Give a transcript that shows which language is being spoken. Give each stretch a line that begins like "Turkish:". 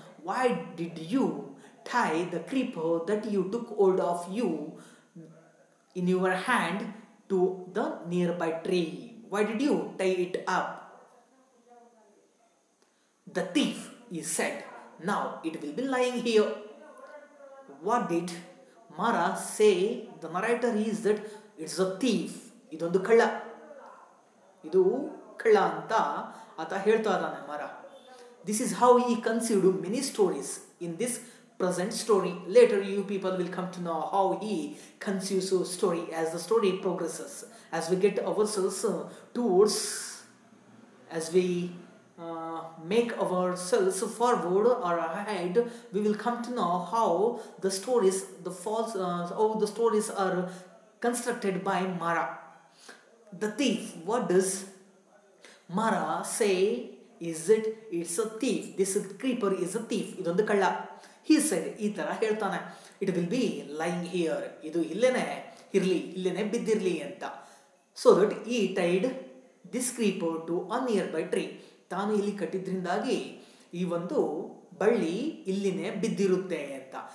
English: Why did you tie the creeper that you took hold of you in your hand to the nearby tree? Why did you tie it up? The thief, he said, now it will be lying here. What did Mara say? The narrator is that it's a thief.
Kannada: ಇದೊಂದು ಕಳ್ಳ, ಇದು ಕಳ್ಳ ಅಂತ ಆತ ಹೇಳ್ತಾ ಇದ್ದಾನೆ ಮಾರ.
English: This is how he conceived many stories in this present story. Later you people will come to know how he conceives story as the story progresses as we get ourselves towards as we make ourselves forward or ahead we will come to know how the stories the falls how the stories are constructed by Mara. The thief, what does Mara say? Is it, it's a thief. This creeper is a thief.
Kannada: ಇದೊಂದು ಕಳ್ಳ.
English: He said,
Kannada: ಈ ಥರ ಹೇಳ್ತಾನೆ.
English: It will be lying here.
Kannada: ಇದು ಇಲ್ಲೇನೆ ಇರಲಿ, ಇಲ್ಲೇನೆ ಬಿದ್ದಿರಲಿ ಅಂತ.
English: So that he tied this creeper to a nearby tree.
Kannada: ತಾನು ಇಲ್ಲಿ ಕಟ್ಟಿದ್ರಿಂದಾಗಿ ಈ ಒಂದು ಬಳ್ಳಿ ಇಲ್ಲಿನೇ ಬಿದ್ದಿರುತ್ತೆ ಅಂತ.